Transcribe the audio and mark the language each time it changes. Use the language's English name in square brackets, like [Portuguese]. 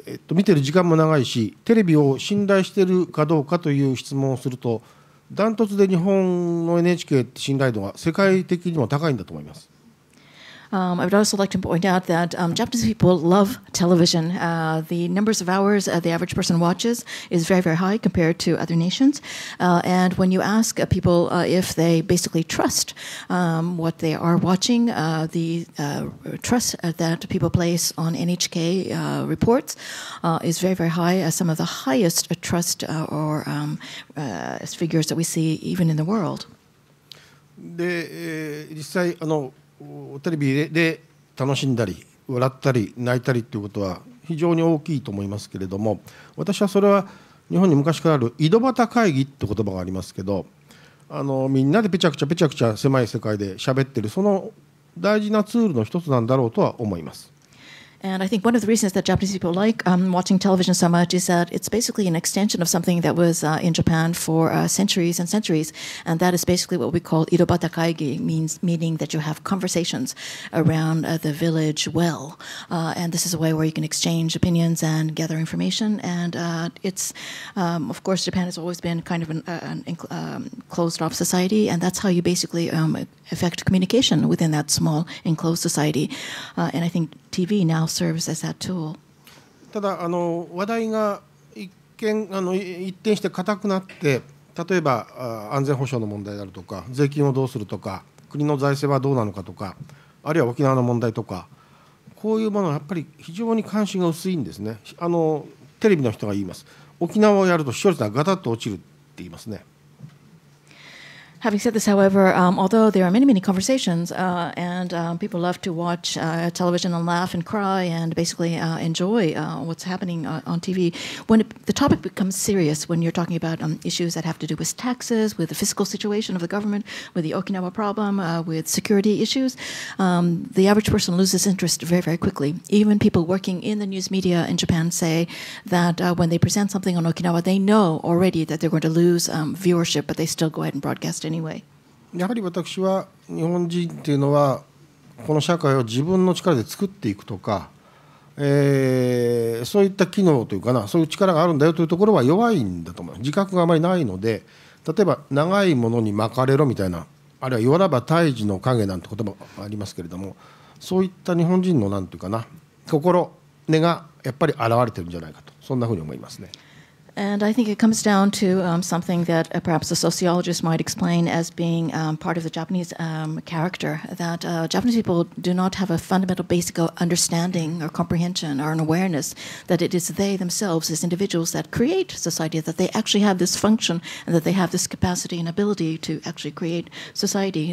[Japanese] 見てる時間も長いし、テレビを信頼しているかどうかという質問をすると、断トツで日本の NHK 信頼度が世界的にも高いんだと思います。 [English] I would also like to point out that Japanese people love television. The numbers of hours the average person watches is very, very high compared to other nations. And when you ask people if they basically trust what they are watching, the trust that people place on NHK reports is very, very high, some of the highest trust or figures that we see even in the world. [Japanese] で、実際、テレビで楽しんだり笑ったり泣いたりということは非常に大きいと思いますけれども、私はそれは日本に昔からある井戸端会議って言葉がありますけど、みんなでペチャクチャ狭い世界で喋ってる、その大事なツールの一つなんだろうとは思います。 [English] And I think one of the reasons that Japanese people like watching television so much is that it's basically an extension of something that was in Japan for centuries and centuries. And that is basically what we call Irobata Kaigi, meaning that you have conversations around the village well. And this is a way where you can exchange opinions and gather information. And it's, of course, Japan has always been kind of an closed off society. And that's how you basically affect communication within that small enclosed society. And I think TV now serves as that tool. [Japanese] ただ話題が一転して固くなって、例えば安全保障の問題であるとか、税金をどうするとか、国の財政はどうなのかとか、あるいは沖縄の問題とか、こういうものはやっぱり非常に関心が薄いんですね。テレビの人が言います。沖縄をやると視聴率がガタッと落ちるって言いますね。 [English] Having said this, however, although there are many, many conversations and people love to watch television and laugh and cry and basically enjoy what's happening on TV, when the topic becomes serious, when you're talking about issues that have to do with taxes, with the fiscal situation of the government, with the Okinawa problem, with security issues, the average person loses interest very, very quickly. Even people working in the news media in Japan say that when they present something on Okinawa, they know already that they're going to lose viewership, but they still go ahead and broadcast it. [Japanese] やはり私は日本人っていうのはこの社会を自分の力で作っていくとか、そういった機能というかな、そういう力があるんだよというところは弱いんだと思う。自覚があまりないので、例えば長いものに巻かれろみたいな、あるいは弱らば胎児の影なんて言葉もありますけれども、そういった日本人のなんていうかな、心根がやっぱり現れてるんじゃないかと、そんなふうに思いますね。 [English] And I think it comes down to something that perhaps a sociologist might explain as being part of the Japanese character, that Japanese people do not have a fundamental basic understanding or comprehension or an awareness that it is they themselves as individuals that create society, that they actually have this function and that they have this capacity and ability to actually create society.